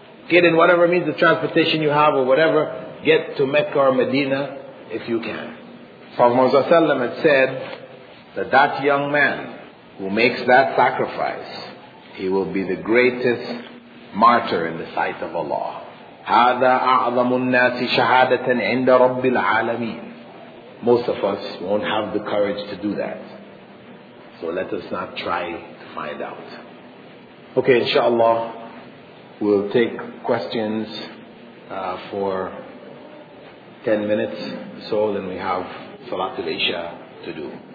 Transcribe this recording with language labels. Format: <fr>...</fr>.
<en>Get in whatever means of transportation you have or whatever. Get to Mecca or Medina if you can. Prophet ﷺ had said that young man who makes that sacrifice, he will be the greatest martyr in the sight of Allah.</en> <ar>هذا أعظم الناس شهادة عند رب العالمين.</ar> <en>Most of us won't have the courage to do that. So let us not try to find out. Okay, inshallah, we'll take questions for 10 minutes or so, then we have Salatul Isha to do.</en>